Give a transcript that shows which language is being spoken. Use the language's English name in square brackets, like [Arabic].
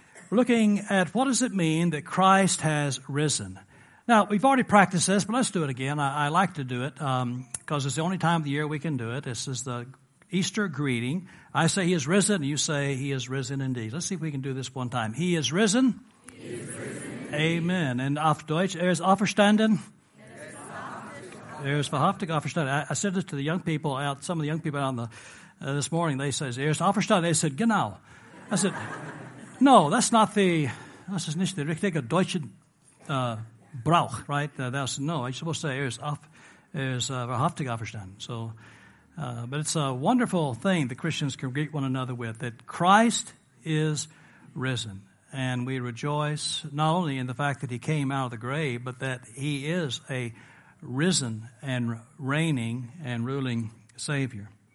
[English] We're looking at what does it mean that Christ has risen. Now, we've already practiced this, but let's do it again. I like to do it because it's the only time of the year we can do it. This is the Easter greeting. I say he is risen, and you say he is risen indeed. Let's see if we can do this one time. He is risen. Amen. And [German] auf Deutsch, er ist auferstanden. Er ist wahrhaftig auferstanden. [English] I said this to the young people, some of the young people out on the this morning. They says, [German] er ist auferstanden. [English] They said, [German] genau. [English] I said, no, that's not the, [German] das ist nicht der richtige deutsche Brauch, [English] right? That's, no, I'm supposed to say, [German] er ist wahrhaftig auferstanden. [English] So, but it's a wonderful thing that Christians can greet one another with, that Christ is risen. And we rejoice not only in the fact that he came out of the grave, but that he is a risen and reigning and ruling Savior.